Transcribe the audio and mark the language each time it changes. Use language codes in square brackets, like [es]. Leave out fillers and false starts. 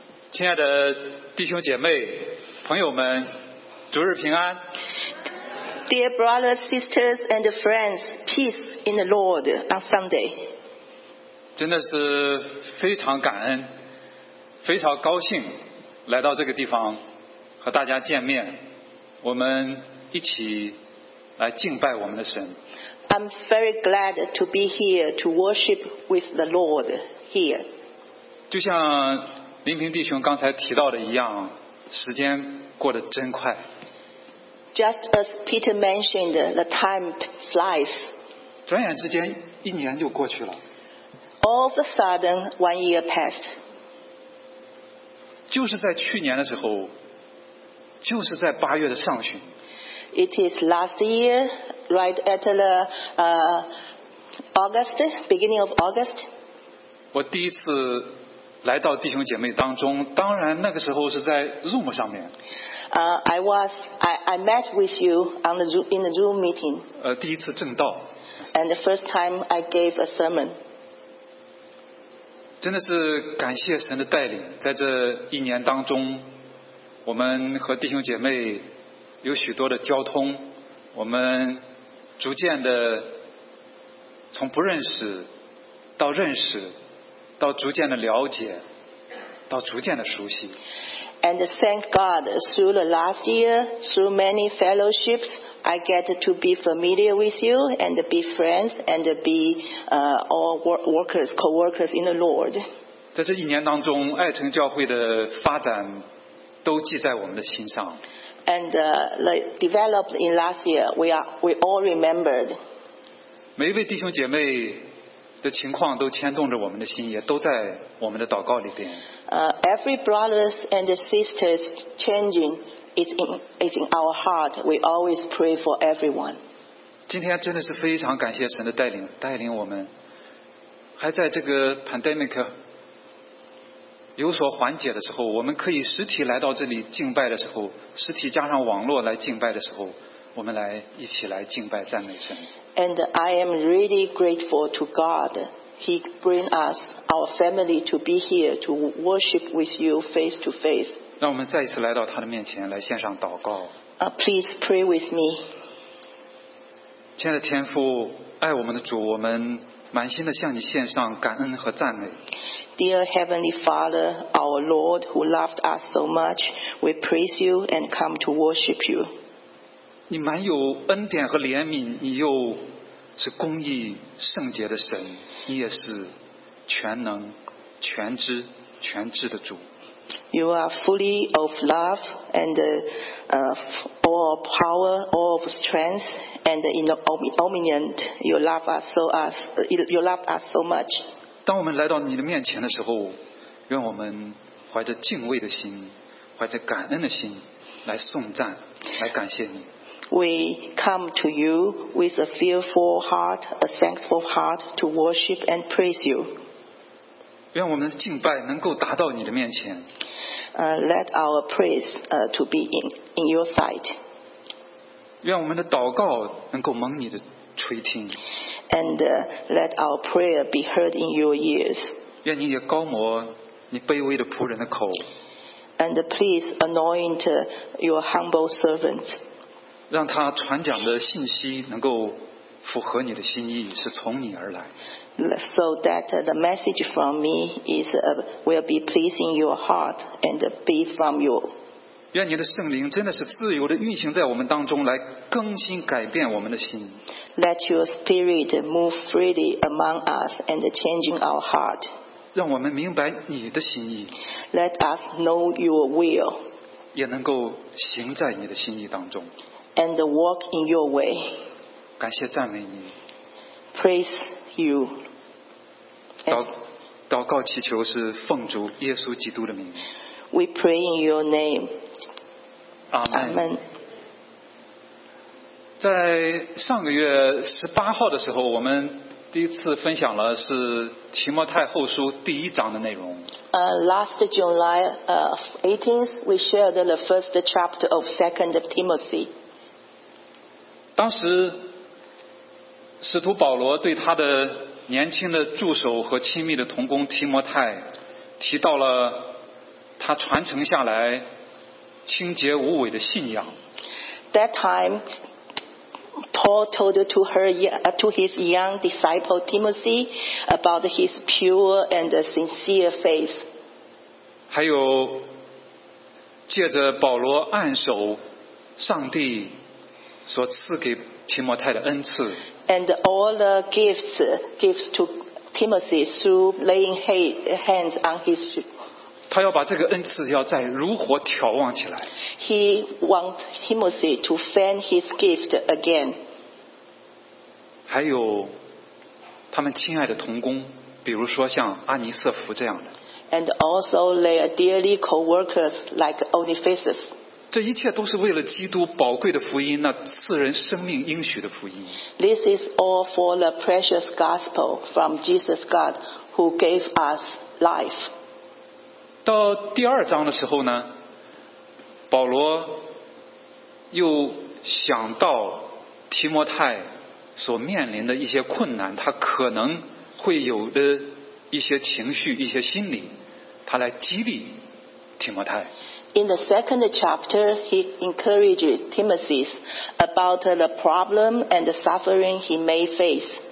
[zh] 亲爱的弟兄姐妹朋友们，主日平安。 [en] Dear brothers, sisters and friends, peace in the Lord on Sunday. [zh] 真的是非常感恩，非常高兴来到这个地方和大家见面，我们一起来敬拜我们的神。 [en] I'm very glad to be here to worship with the Lord here. [zh] 就像林平弟兄刚才提到的一样，时间过得真快。 [en] Just as Peter mentioned, the time flies. [zh] 转眼之间一年就过去了。 [en] All of a sudden, one year passed. [zh] 就是在去年的时候，就是在八月的上旬。 [en] It is last year, right at the August, beginning of August. [zh] 我第一次来到弟兄姐妹当中，当然那个时候是在 Zoom 上面。 [en] I met with you on the Zoom, in the Zoom meeting. [zh] 第一次证道。 [en] And the first time I gave a sermon. [zh] 真的是感谢神的带领，在这一年当中，我们和弟兄姐妹有许多的交通，我们逐渐的从不认识到认识，到逐渐的了解，到逐渐的熟悉。 [en] And thank God, through the last year, through many fellowships, I get to be familiar with you and be friends and be all workers, co-workers in the Lord. [zh] 在这一年当中，爱城教会的发展都记在我们的心上。 [en] And the developed in last year, we all remembered. [zh] 每一位弟兄姐妹的情况都牵动着我们的心，也都在我们的祷告里边。 [en] Every brothers and sisters changing, it's in our heart. We always pray for everyone. [zh] 今天真的是非常感谢神的带领，带领我们还在这个 pandemic 有所缓解的时候，我们可以实体来到这里敬拜的时候，实体加上网络来敬拜的时候，我们来一起来敬拜赞美神。 [en] And I am really grateful to God. He bring us, our family, to be here to worship with you face to face. [zh] 让我们再一次来到他的面前，来献上祷告。 [en] Please pray with me. [zh] 亲爱的天父，爱我们的主，我们满心的向你献上感恩和赞美。 [en] Dear Heavenly Father, our Lord who loved us so much, we praise you and come to worship you. [zh] 你满有恩典和怜悯，你又是公义圣洁的神，你也是全能全知全智的主。 [en] You are fully of love and all of power, all of strength and in omniscient. You love us so much. [zh] 当我们来到你的面前的时候，愿我们怀着敬畏的心，怀着感恩的心来颂赞，来感谢你。 [en] We come to you with a fearful heart, a thankful heart to worship and praise you. [zh] 愿我们的敬拜能够达到你的面前。 [en] Let our praise to be in your sight. [zh] 愿我们的祷告能够蒙你的垂听。 [en] And let our prayer be heard in your ears. [zh] 愿你也膏抹你卑微的仆人的口。 [en] And please anoint your humble servants. [zh] 让他传讲的信息能够符合你的心意，是从你而来。 [en] So that the message from me is will be pleasing your heart and be from you. [zh] 愿你的圣灵真的是自由的运行在我们当中，来更新改变我们的心。 [en] Let your spirit move freely among us and changing our heart. [zh] 让我们明白你的心意。 [en] Let us know your will. [zh] 也能够行在你的心意当中。 [en] And walk in your way. [zh] 感谢赞美你。 [en] Praise you. [zh] 祷告祈求是奉主耶稣基督的名。 [en] We pray in your name. Amen. Amen. [zh] 在上个月18号的时候，我们第一次分享了是提摩太后书第一章的内容。 [en] Last July 18th, we shared the first chapter of 2 Timothy. [zh] 当时使徒保罗对他的年轻的助手和亲密的同工提摩太提到了他传承下来清洁无伪的信仰。 [en] That time Paul told to, her, to his young disciple Timothy about his pure and sincere faith. [zh] 还有借着保罗按手上帝所赐给提摩太的恩赐。 [en] And all the gifts to Timothy through laying hands on his feet. [zh] 他要把这个恩赐要再如火眺望起来。 [en] He want Timothy to fan his gift again. [zh] 还有他们亲爱的同工，比如说像阿尼瑟福这样的。 [en] And also their dearly co-workers like Onesiphorus. [zh] 这一切都是为了基督宝贵的福音，那赐人生命应许的福音。 [en] This is all for the precious gospel from Jesus God who gave us life. [zh] 到第二章的时候呢，保罗又想到提摩太所面临的一些困难，他可能会有的一些情绪、一些心理，他来激励提摩太。 [en] In the second chapter, he encouraged Timothy about the problem and the suffering he may face.